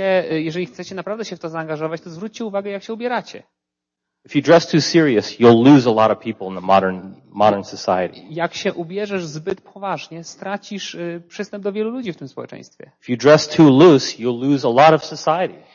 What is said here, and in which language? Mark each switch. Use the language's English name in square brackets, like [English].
[Polish] Jeżeli chcecie naprawdę się w to zaangażować, to zwróćcie uwagę, jak się ubieracie. [English] If you dress too serious, you'll lose a lot of people in the modern society. [Polish] Jak się ubierzesz zbyt poważnie, stracisz przystęp do wielu ludzi w tym społeczeństwie. [English] If you dress too loose, you'll lose a lot of society.